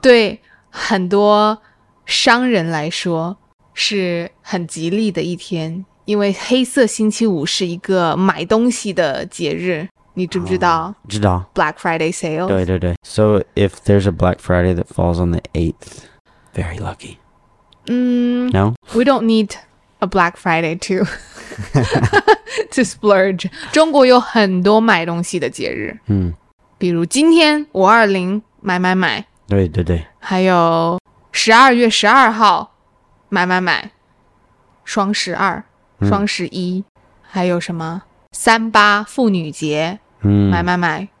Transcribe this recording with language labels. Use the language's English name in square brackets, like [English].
[Chinese] 对很多商人来说是很吉利的一天，因为黑色星期五是一个买东西的节日，你知不知道？知道。 [English] Black Friday sales. [Chinese] 对对对。 [English] So if there's a Black Friday that falls on the 8th, very lucky. No? We don't need a Black Friday to splurge. [Chinese] 中国有很多买东西的节日。嗯。比如今天520买买买。对对对。还有12月12号。买买买，双十二，双十一，还有什么38妇女节，买买买，